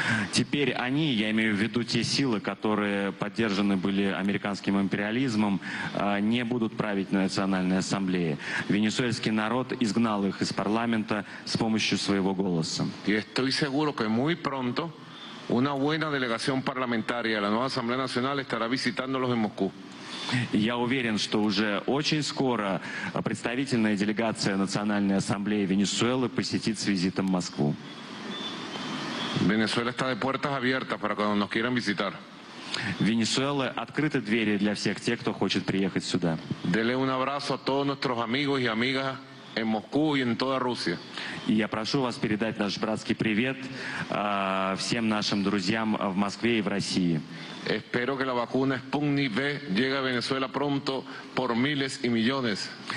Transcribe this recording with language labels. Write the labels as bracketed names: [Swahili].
[Russian] Теперь они, я имею в виду те силы, которые поддержаны были американским империализмом, не будут править на национальной ассамблее. Венесуэльский народ изгнал их из парламента с помощью своего голоса. [Spanish] Y estoy seguro que muy pronto una buena delegación parlamentaria de la nueva Asamblea Nacional estará visitándolos en Moscú. [Russian] Я уверен, что уже очень скоро представительная делегация Национальной Ассамблеи Венесуэлы посетит с визитом Москву. [Spanish] Venezuela está de puertas abiertas para cuando nos quieran visitar. [Russian] Венесуэлы открыты двери для всех тех, кто хочет приехать сюда. [Spanish] Dele un abrazo a todos nuestros amigos y amigas en Moscú y en toda Rusia. [Russian] И я прошу вас передать наш братский привет всем нашим друзьям в Москве и в России. [Spanish] Espero que la vacuna Sputnik V llegue a Venezuela pronto por miles y millones.